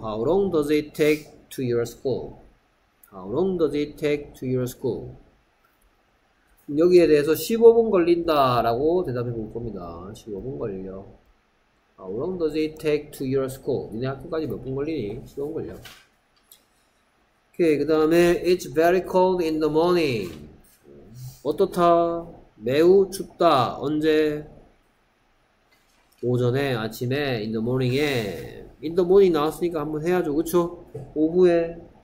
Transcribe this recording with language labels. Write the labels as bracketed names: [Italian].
[English] How long does it take to your school? How long does it take to your school? [Korean] 여기에 대해서 15분 걸린다라고 대답해 볼 겁니다. 15분 걸려. [English] How long does it take to your school? [Korean] 니네 학교까지 몇분 걸리니? 15분 걸려. 오케이. 그 다음에 [English] It's very cold in the morning. [Korean] 어떻다? 매우 춥다. 언제? 오전에, 아침에, [English] in the morning [Korean] 에. [English] In the morning [Korean] 나왔으니까 한번 해야죠. 그쵸? 오후에.